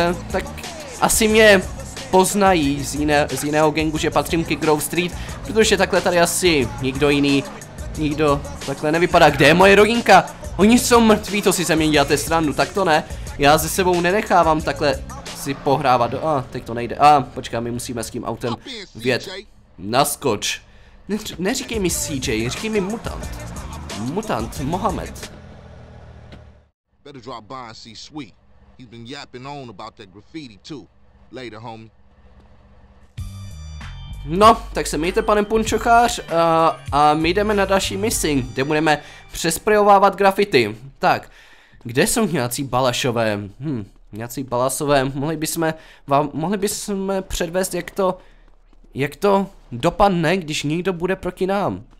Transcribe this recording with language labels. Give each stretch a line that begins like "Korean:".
Czech: Tak asi mě poznají z jiného gangu, že patřím ke Grove Street, protože takhle tady asi nikdo takhle nevypadá. Kde je moje rodinka? Oni jsou mrtví, to si se mě děláte srandu, tak to ne. Já se sebou nenechávám takhle si pohrávat. Teď to nejde. Počkej, my musíme s tím autem vjet. Naskoč. Neříkej mi CJ, říkej mi Mutant. Mutant Mohamed.
English: Better drop by and see Sweet. He's been yapping on about that graffiti too. Later, homie.
Czech: No, tak se mějte, pane punčochář, a my jdeme na další misi, kde budeme přesprejovávat grafity. Tak, kde jsou nějací Balašové? Nějací Balasové, mohli bychom předvést, jak to dopadne, když někdo bude proti nám.